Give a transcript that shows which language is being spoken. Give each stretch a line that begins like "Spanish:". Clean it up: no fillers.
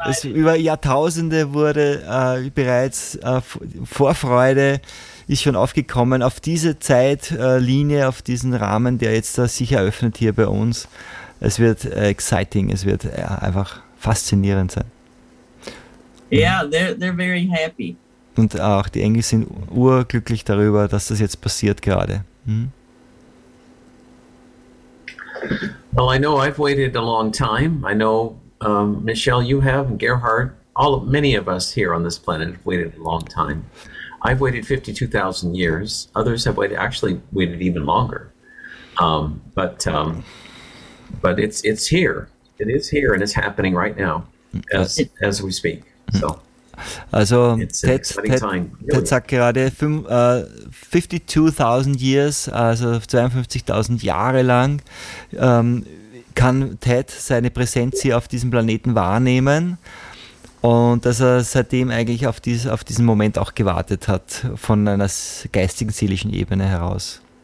German: Es über Jahrtausende wurde bereits Vorfreude ist schon aufgekommen auf diese Zeitlinie, auf diesen Rahmen, der jetzt da sich eröffnet hier bei uns. Es wird exciting, es wird einfach faszinierend sein.
English: Yeah, they're very happy.
German: Und auch die Engel sind urglücklich darüber, dass das jetzt passiert gerade.
English: Well, I know I've waited a long time. I know, Michelle, you have, and Gerhard, many of us here on this planet have waited a long time. I've waited 52,000 years. Others have waited even longer. But it's here. It is here, and it's happening right now as we speak. So.
German: Also Ted sagt gerade 52.000 years, also 52.000 Jahre lang kann Ted seine Präsenz hier auf diesem Planeten wahrnehmen und dass er seitdem eigentlich auf diesen Moment auch gewartet hat von einer geistigen, seelischen Ebene heraus.